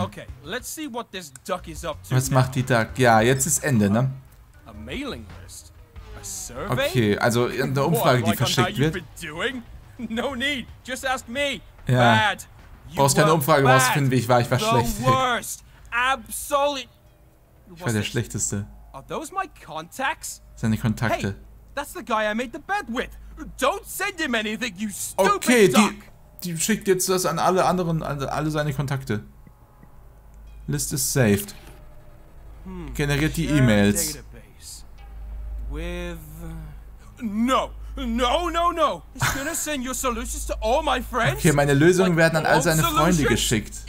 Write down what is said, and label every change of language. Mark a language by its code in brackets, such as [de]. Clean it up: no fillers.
[en] Okay, let's see what this duck is up to. [de] Was macht die Duck? Ja, jetzt ist Ende, ne? [en] A mailing list? A survey? [de] Okay, also eine Umfrage, die verschickt wird. [en] No need, just ask me. [de] Ja. [en] Bad. [de] Brauchst keine Umfrage rausfinden, wie ich war. Ich war [en] the [de] schlecht. [en] Worst. Absolute. [de] Ich war der Schlechteste. [en] Are those my contacts? [de] Seine Kontakte. [en] Hey, that's the guy I made the bet with. Don't send him anything, you stupid okay, duck. [de] Die schickt jetzt das an alle anderen, an alle seine Kontakte. [en] List is saved. [de] Generiert die E-Mails. [en] With no. It's gonna send your solutions to all my friends. [de] Okay, meine Lösungen like, werden an all seine Freunde geschickt.